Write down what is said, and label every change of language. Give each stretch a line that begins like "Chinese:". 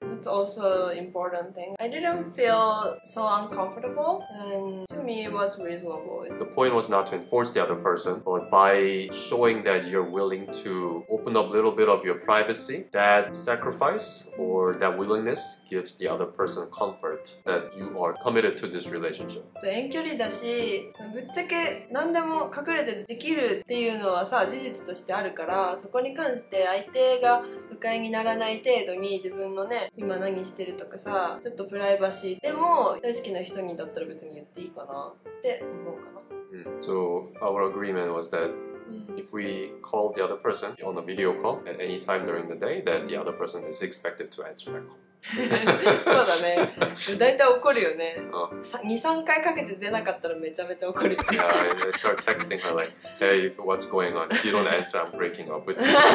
English: That's also an important thing. I didn't feel so uncomfortable, and to me it was reasonable. The point was not to enforce the other person, but by showing that you're willing to open up a little bit of your privacy, that sacrifice or that willingness gives the other person comfort that you are committed to this relationship.
Japanese: 遠距離だし、ぶっちゃけ何でも隠れてできるっていうのはさ、事実としてあるから、そこに関して相手が不快にならない程度に自分のね、今何してるとかさ、ちょっとプライバシーでも大好きな人にだったら別に言っていいかなって思うかな。
English: So our agreement was that if we call the other person on a video call at any time during the day, then the other person is expected to answer that call.
Japanese: そうだね。だいたい怒るよね。 2、3回かけて出なかったらめちゃめちゃ怒るよ。
English: Yeah, I start texting her like, hey, what's going on? If you don't answer, I'm breaking up with you.